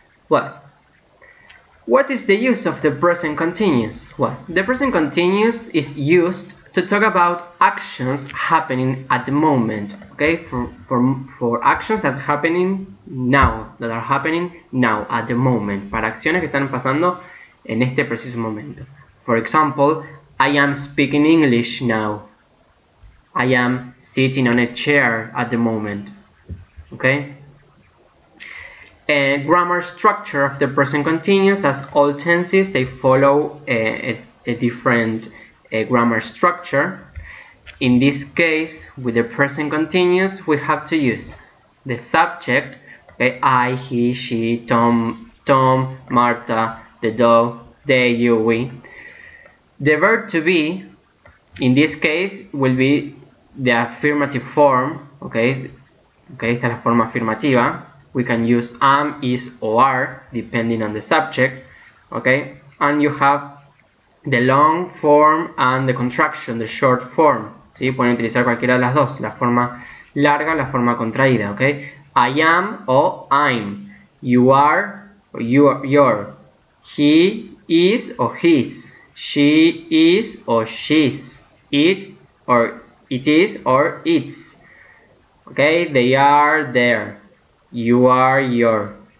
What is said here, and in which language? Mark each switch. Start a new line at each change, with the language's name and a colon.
English: Well, what is the use of the present continuous? Well, the present continuous is used to talk about actions happening at the moment, okay? For actions that are happening now, at the moment.
Spanish: Para acciones que están pasando en este preciso momento.
English: For example, I am speaking English now. I am sitting on a chair at the moment, okay? Grammar structure of the present continuous, as all tenses, they follow a different grammar structure. In this case, with the present continuous, we have to use the subject, okay, I, he, she, Tom, Marta, the dog, they, you, we. The verb to be, in this case, will be the affirmative form, okay? Okay,
Spanish: esta es la forma afirmativa.
English: We can use am, is, or are, depending on the subject, okay? And you have the long form and the contraction, the short form, ¿sí?
Spanish: Pueden utilizar cualquiera de las dos, la forma larga, la forma contraída, okay?
English: I am, o I'm, you are, o you are, you're, he is, o his, she is, o she's, it, or it is, or it's, okay? They are, there. You are, your.